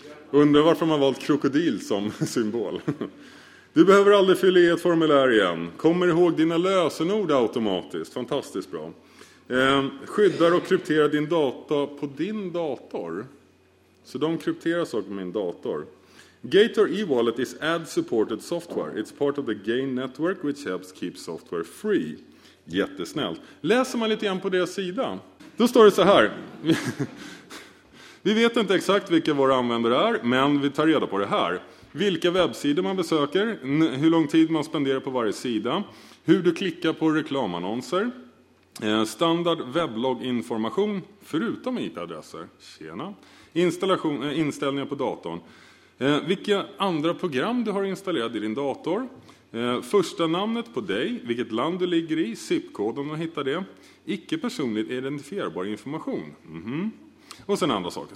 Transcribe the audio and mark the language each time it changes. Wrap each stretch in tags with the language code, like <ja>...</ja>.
<sv>Undrar varför man har valt krokodil som symbol. Du behöver aldrig fylla i ett formulär igen. Kommer ihåg dina lösenord automatiskt. Fantastiskt bra. Skyddar och krypterar din data på din dator. Så de krypterar saker på min dator.</sv> <en>Gator e-wallet is ad-supported software. It's part of the GAIN network which helps keep software free.</en> <sv>Jättesnällt. Läser man lite grann på deras sida. Då står det så här. Vi vet inte exakt vilka våra användare är, men vi tar reda på det här. Vilka webbsidor man besöker, hur lång tid man spenderar på varje sida, hur du klickar på reklamannonser, standard webbloginformation förutom IP-adresser, tjena, inställningar på datorn, vilka andra program du har installerat i din dator, första namnet på dig, vilket land du ligger i, zip-kod om du hittar det, icke-personligt identifierbar information, och sen andra saker.</sv>